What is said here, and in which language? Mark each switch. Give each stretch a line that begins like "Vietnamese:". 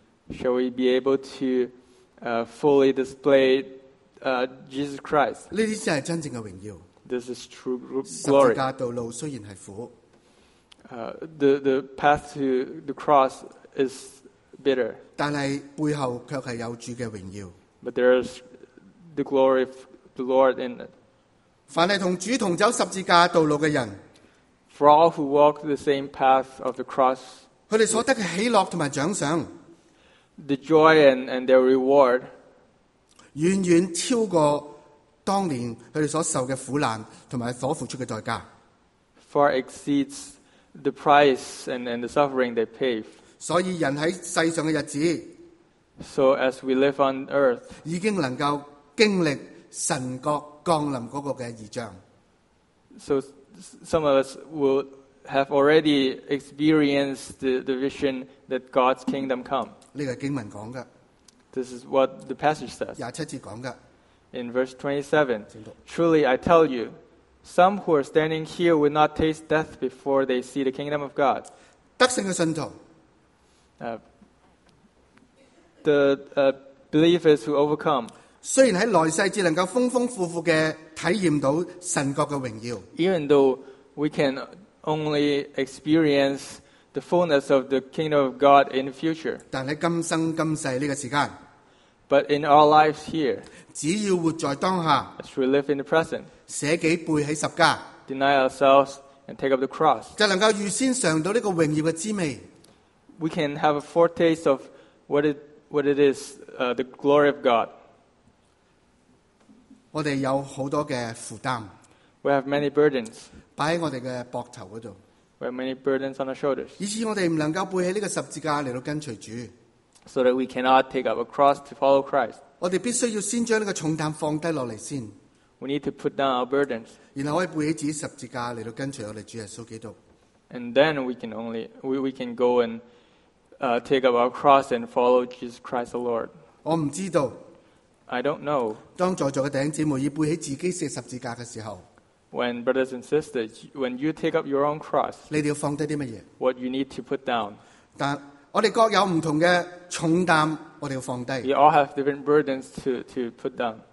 English: Shall we be able to fully display Jesus Christ?
Cantonese: 呢啲先系真正嘅荣耀
English: This is true glory.
Cantonese: 十字架道路虽然系苦。
English: The path to the cross is bitter.
Cantonese: 但系背后却系有主嘅荣耀。
English: But there is the glory of the Lord in it.
Cantonese: 凡系同主同走十字架道路嘅人
English: ，For all who walk the same path of the cross，
Cantonese: 佢哋所得嘅喜乐同埋奖赏
English: ，The joy and their reward，
Cantonese: 远远超过当年佢哋所受嘅苦难同埋所付出嘅代价。
English: Far exceeds the price and the suffering they pay.
Cantonese: 所以人喺世上嘅日子
English: ，so as we live on earth，
Cantonese: 已经能够经历神国降临嗰个嘅异象。
English: So some of us will have already experienced the vision that God's kingdom come.
Cantonese: 呢个经文讲嘅。
English: This is what the passage says.
Cantonese: 廿七节讲嘅。
English: In verse 27, truly I tell you。 Some who are standing here will not taste death before they see the kingdom of God.
Cantonese: 得胜嘅信徒
English: believers who overcome.
Cantonese: 虽然喺来世只能够丰丰富富嘅体验到神国嘅荣耀
English: ，even though we can only experience the fullness of the kingdom of God in the future.
Cantonese: 但喺今生今世呢个时间
English: ，but in our lives here，
Cantonese: 只要活在当下
English: ，as we live in the present。
Cantonese: 舍己背起十架
English: ，deny ourselves and take up the cross，
Cantonese: 就能够预先尝到呢个荣耀嘅滋味。
English: We can have a foretaste of what it is the glory of God。
Cantonese: 我哋有好多嘅负担
English: ，we have many burdens，
Cantonese: 摆喺我哋嘅膊头嗰度
English: ，we have many burdens on our shoulders，
Cantonese: 以致我哋唔能够背起呢个十字架嚟到跟随主
English: ，so that we cannot take up a cross to follow Christ。
Cantonese: 我哋必须要先将呢个重担放低落嚟先。
English: We need to put down our burdens.
Cantonese: 然后可以背起自己十字架嚟到跟随我哋主耶稣基督。
English: And then we can go and take up our cross and follow Jesus Christ the Lord.
Cantonese: 我唔知道。
English: I don't know.
Cantonese: 当在座嘅弟兄姊妹要背起自己嘅十字架嘅时候
English: ，When brothers and sisters, when you take up your own cross,
Cantonese: 你哋要放低啲乜嘢
English: ？What you need to put down.
Cantonese: 但我哋各有唔同嘅重担，我哋要放低。
English: We all have different burdens to put down.